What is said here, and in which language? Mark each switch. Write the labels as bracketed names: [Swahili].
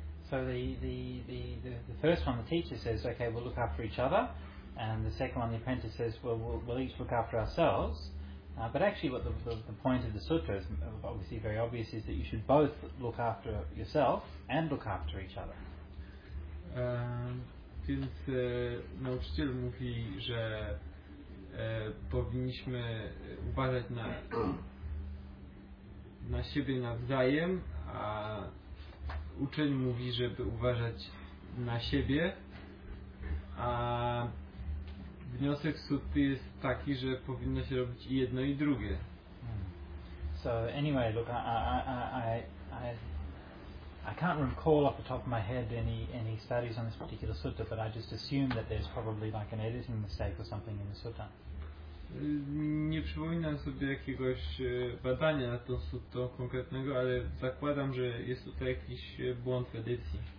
[English] So the first one, the teacher says, okay, we'll look after each other. And the second one, the apprentice says, well, we'll each look after ourselves. But actually what the point of the sutra is obviously very obvious is that you should both look after yourself and look after each other. [Polish] Więc nauczyciel mówi, że powinniśmy uważać na siebie nawzajem, a uczeń mówi, żeby uważać na siebie, a wniosek sutry jest taki, że powinno się robić i jedno i drugie. [English] So anyway, look, I can't recall off the top of my head any studies on this particular sutta, but I just assume that there's probably like an editing mistake or something in the sutta. [Polish] Nie przypominam sobie jakiegoś badania na tą sutto konkretnego, ale zakładam, że jest tutaj jakiś błąd w edycji.